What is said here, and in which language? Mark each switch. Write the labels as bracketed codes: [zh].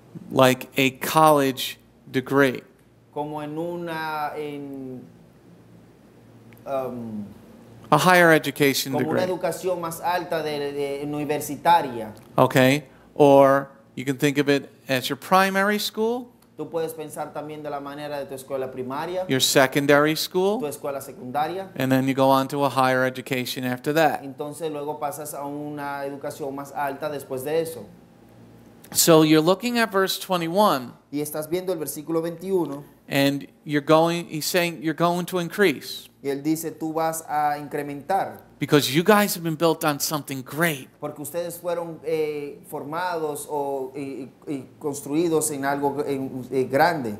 [en] Like a college degree. [es] Como en una, en, [en] a higher education [es] como [en] degree. [es] Una educación más alta de universitaria. [en] Okay. Or you can think of it as your primary school. [es] Tú puedes pensar también de la manera de tu escuela primaria. [en] Your secondary school. [es] Tu escuela secundaria. [en] And then you go on to a higher education after that. [es] Entonces luego pasas a una educación más alta después de eso. [en] So you're looking at verse 21. [es] Y estás viendo el versículo 21. [en] And you're going, he's saying, you're going to increase. [es] Y él dice, tú vas a incrementar. [en] Because you guys have been built on something great. [es] Porque ustedes fueron formados o construidos en algo grande.